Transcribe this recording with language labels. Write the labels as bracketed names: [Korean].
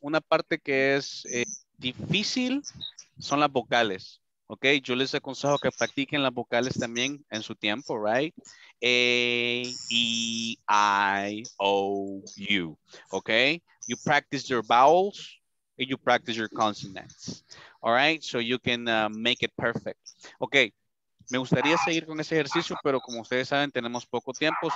[Spanish] Una parte que es difícil son las vocales. Ok, yo les aconsejo que practiquen las vocales también en su tiempo, right? A, E, I, O, U. [English] Ok, you practice your vowels and you practice your consonants. All right, so you can make it perfect. [Spanish] Ok, me gustaría seguir con ese ejercicio, pero como ustedes saben, tenemos poco tiempo.